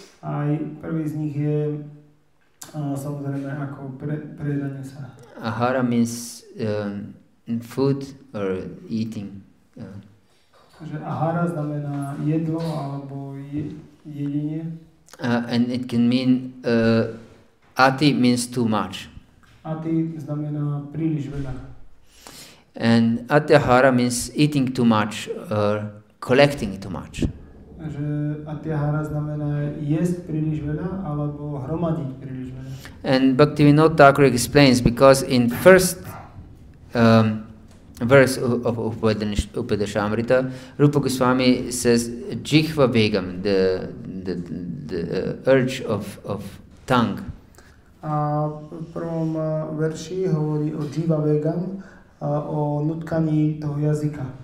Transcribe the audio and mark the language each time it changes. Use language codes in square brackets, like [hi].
[sk] Aj prvý z nich je samozrejme ako prejedanie sa. [en] Ahara means food or eating. [sk] Takže ahara znamená jedlo alebo jedenie. [en] And it can mean ati means too much. [sk] Ati znamená príliš veľa. [en] And atyahara means eating too much or collecting too much. [sk] Takže atyahara znamená jesť príliš veľa alebo hromadiť príliš veľa. [en] And Bhaktivinoda Thakur explains, because in first verse of Upadeshamrita, Rupa Goswami says jihva vegam, the urge of tongue. [sk] A v prvom verši hovorí o jihva vegam, o nutkaní toho jazyka.